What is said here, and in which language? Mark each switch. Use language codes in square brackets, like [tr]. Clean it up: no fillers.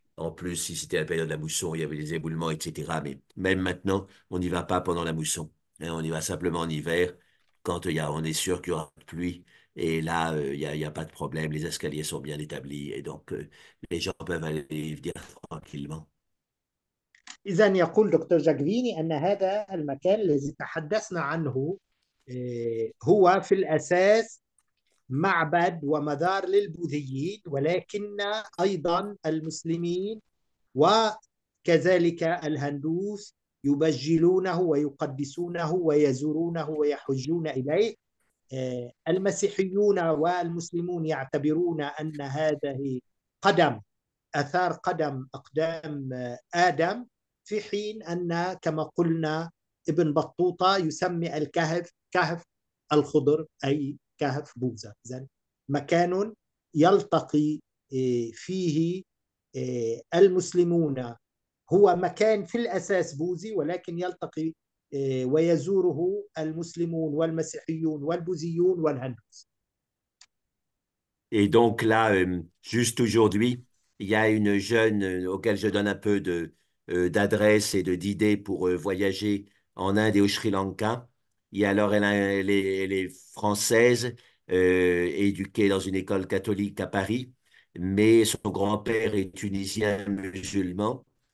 [fr] En plus, si c'était la période de la mousson, il y avait les éboulements, etc. Mais même maintenant, on n'y va pas pendant la mousson. Hein, on y va simplement en hiver, quand on est sûr qu'il y aura de pluie. Et là, il n'y a pas de problème. Les escaliers sont bien établis. Et donc, les gens peuvent aller y venir tranquillement. [ar] إذن يقول دكتور جاكفيني أن هذا المكان الذي تحدثنا عنه هو في الأساس معبد ومزار للبوذيين، ولكن أيضا المسلمين وكذلك الهندوس يبجلونه ويقدسونه ويزورونه ويحجون إليه. المسيحيون والمسلمون يعتبرون أن هذه قدم آثار قدم أقدام آدم، في حين أن كما قلنا ابن بطوطة يسمي الكهف كهف الخضر، أي كهف بوذا. إذن مكان يلتقي فيه المسلمون، هو مكان في الأساس بوذي، ولكن يلتقي ويزوره المسلمون والمسيحيون والبوذيون والهندوس. [fr] Et donc là, juste aujourd'hui, il y a une jeune auquel je donne un peu d'adresse et d'idées pour voyager en Inde et au Sri Lanka. Et alors, elle est française, éduquée dans une école catholique à Paris, mais son grand-père est tunisien musulman.